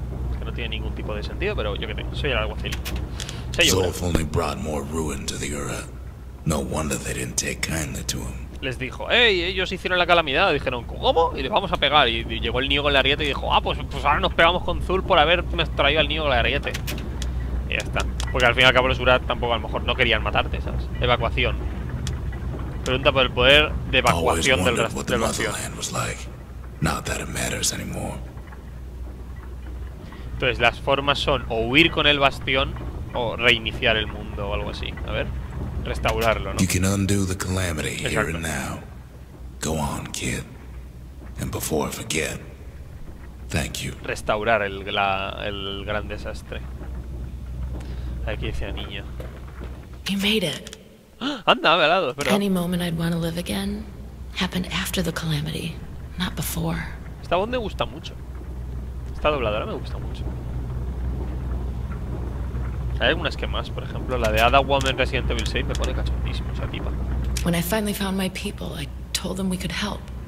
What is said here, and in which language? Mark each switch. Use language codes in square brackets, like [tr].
[es] Es que no tiene ningún tipo de sentido, pero yo qué sé, soy el alguacil. [en] Zulf only brought more ruin to the Ura. No wonder they didn't take kindly to him. [es] Les dijo, hey, ellos hicieron la calamidad. Dijeron, ¿cómo? Y les vamos a pegar. Y llegó el niño con la ariete y dijo, ah, pues ahora nos pegamos con Zulf por haber traído al niño con la ariete. Y ya está. Porque al fin y al cabo los Ura tampoco, a lo mejor, no querían matarte, ¿sabes? Evacuación. Pregunta por el poder de evacuación del bastión. Entonces las formas son o huir con el bastión o reiniciar el mundo o algo así. A ver, restaurarlo, ¿no? [en] You can undo the calamity here and now. Go on, kid. And before I forget, thank you. [es] Restaurar el gran desastre. Aquí dice niño. [en] You made it. [es] Anda, ve al lado, espera. [en] Any moment I'd want to live again happened after the calamity, not before. [es] Esta voz me gusta mucho. Esta dobladora me gusta mucho. Hay algunas que más, por ejemplo, la de Ada Woman Resident Evil 6 me pone cachondísimo esa tipa. [en] When I finally found my people, I told them we could help.